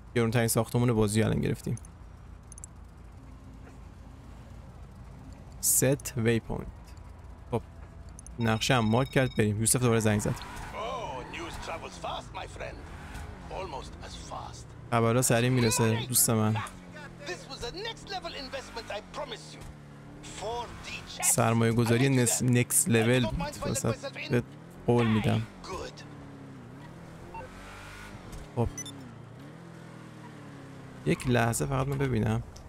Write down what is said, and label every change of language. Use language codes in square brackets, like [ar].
[fa] گرونترین ساختمون بازی الان گرفتیم. [en] Set waypoint. [fa] خب نقشه هم مارک کرد، بریم. یوسف دوباره زنگ زد. [en] News travels fast my friend. Almost as fast. [fa] خبرها سریع میرسه دوست من. [en] This was a next level investment I promise you. 4D check. [fa] سرمایه گذاری [en] next level [fa] بود. بهت قول میدم. خب یک لحظه فقط من ببینم.